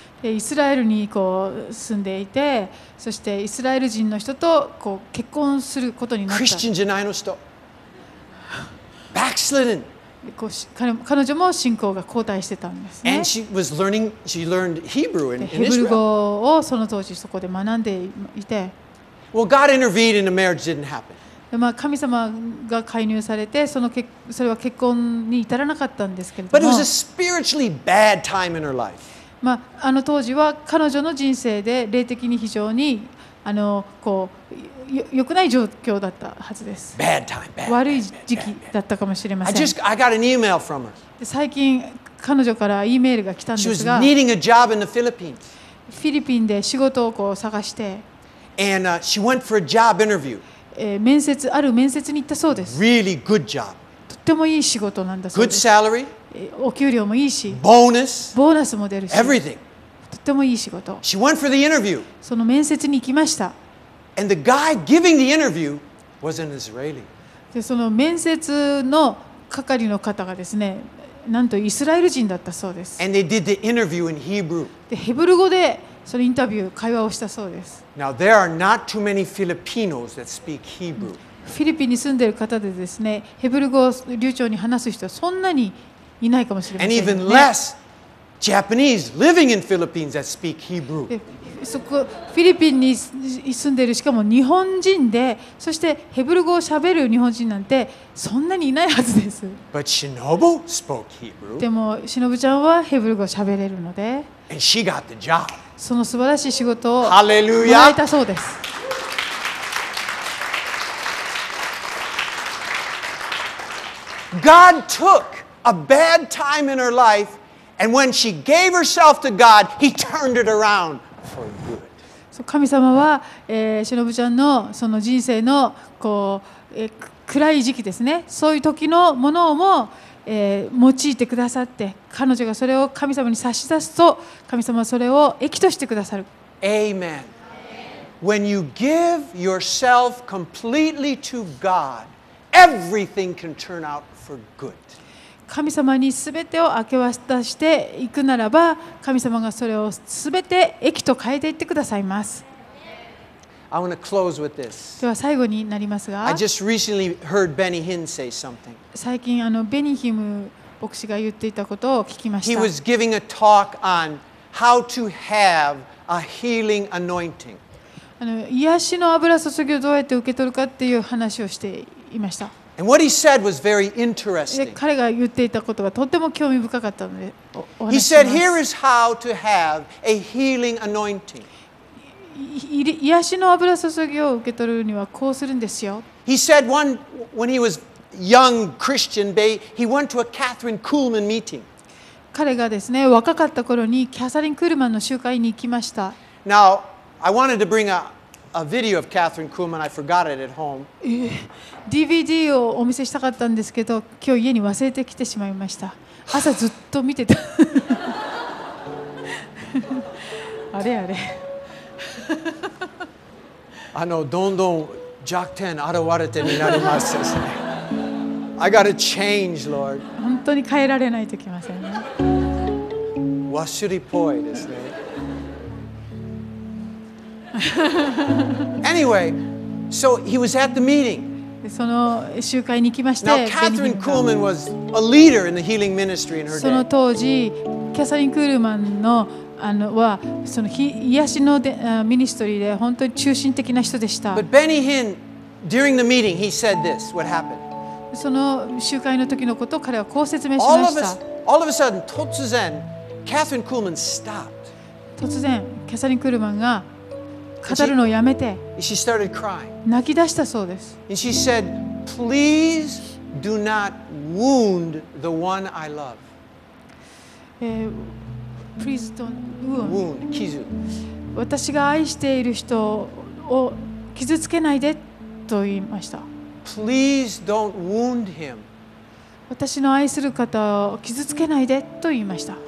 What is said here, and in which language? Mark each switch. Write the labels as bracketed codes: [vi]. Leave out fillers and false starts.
[ja] イスラエルにこう住んでいて、そしてイスラエル人の人とこう結婚することになった。クリスチャンじゃないの人。 [en] Backslidden。 [ja] 彼女も信仰が後退してたんですね。 [en] And she was learning, she learned Hebrew in Israel. [ja] ヘブル語をその当時そこで学んでいて。 [en] Well, God intervened and the marriage didn't happen. [ja] まあ神様が介入されて、それは結婚に至らなかったんですけれども。 [en] But it was a spiritually bad time in her life. [ja] まあ、当時は彼女の人生で霊的に非常に良くない状況だったはずです。 [en] Bad time, bad, bad, bad, bad, bad. [ja] 悪い時期だったかもしれません。 [en] I got an email from her. [ja] 最近彼女からEメールが来たんですが、 [en] She was needing a job in the Philippines. [ja] フィリピンで仕事をこう探して、 [en] And, she went for a job interview. [ja] 面接、ある面接に行ったそうです。 [en] Really good job. [ja] とってもいい仕事なんだそうです。 [en] Good salary. [ja] お給料もいいし、ボーナスも出るし、 [en] Everything. [ja] とてもいい仕事。 [en] She went for the interview. [ja] その面接に行きました。 [en] And the guy giving the interview was an Israeli. [ja] でその面接の係の方がですね、なんとイスラエル人だったそうです。 [en] And they did the interview in Hebrew. [ja] でヘブル語でそのインタビュー会話をしたそうです。 [en] Now there are not too many Filipinos that speak Hebrew. [ja] フィリピンに住んでいる方でですね、ヘブル語を流暢に話す人はそんなにいないかもしれません、ね、 [en] And even less Japanese living in Philippines that speak Hebrew. [ja] そこフィリピンに住んでいるしかも日本人でそしてヘブル語を喋る日本人なんてそんなにいないはずです。 [en] But Shinobu spoke Hebrew. [ja] でもしのぶちゃんはヘブル語を喋れるので。 [en] And she got the job. [ja] その素晴らしい仕事をハレルヤもらえたそうです。 [en] God took. A bad time in her life, and when she gave herself to God, He turned it around for good. [ja] So, 神様は、しのぶちゃんのその人生のこう、暗い時期ですね。そういう時のものをも、用いてくださって、彼女がそれを神様に差し出すと、神様はそれを益としてくださる。 [en] Amen. When you give yourself completely to God, everything can turn out for good. [ja] 神様にすべてを明け渡していくならば、神様がそれをすべて益と変えていってくださいます。 [en] I want to close with this. [ja] では最後になりますが、 [en] I just recently heard Benny Hinn say something. [ja] 最近ベニヒム牧師が言っていたことを聞きました。 [en] He was giving a talk on how to have a healing anointing. [ja] 癒しの油注ぎをどうやって受け取るかっていう話をしていました。 [en] And what he said was very interesting. [ja] 彼が言っていたことがとても興味深かったので、 [en] He said, "Here is how to have a healing anointing." [ja] 癒しの油注ぎを受け取るにはこうするんですよ。 [en] He said one when he was young Christian, he went to a Catherine Kuhlman meeting. [ja] 彼がですね、若かった頃にキャサリン・クールマンの集会に行きました。 [en] Now, I wanted to bring a video of Catherine Kuhlman. I forgot it at home. [ja] DVD をお見せしたかったんですけど、今日家に忘れてきてしまいました。朝ずっと見てた。あれあれ。あの、どんどん弱点現れてになりますですね。 [en] I gotta change, Lord. [ja] 本当に変えられないといけませんね。わしりっぽいですね。 [en] Anyway, so he was at the meeting. [ja] その集会に来まして。 [en] Now, Catherine Kuhlman was a leader in the healing ministry in her day. [ja] その当時、キャサリン・クールマンのあのはその癒しのミニストリーで本当に中心的な人でした。 [en] But Benny Hinn, during the meeting, he said this. What happened? [ja] その集会の時のことを彼はこう説明しました。 [en] All of a sudden, 突然 Catherine Kuhlman stopped. [ja] 突然キャサリン・クールマンが語るのをやめて [en] she started crying. [ja] 泣き出したそうです。 [en] And she said, please do not wound the one I love. Please don't wound. [ja] 傷。私が愛している人を傷つけないでと言いました。 [en] Please don't wound him. [ja] 私の愛する方を傷つけないでと言いました。